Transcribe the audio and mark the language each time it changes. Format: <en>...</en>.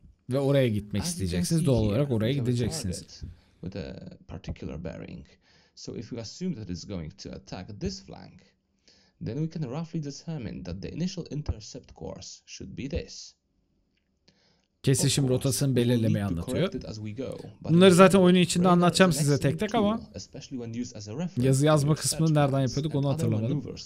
<tr>Ve oraya gitmek isteyeceksiniz, doğal olarak oraya gideceksiniz.</tr> <en>With a particular bearing. So if we assume that it's going to attack this flank, then we can roughly determine that the initial intercept course should be this.</en> <tr>Kesişim rotasını belirlemeyi anlatıyor. Bunları zaten oyunun içinde anlatacağım size tek tek ama yazı yazma kısmını nereden yapıyorduk onu hatırlamadım.</tr>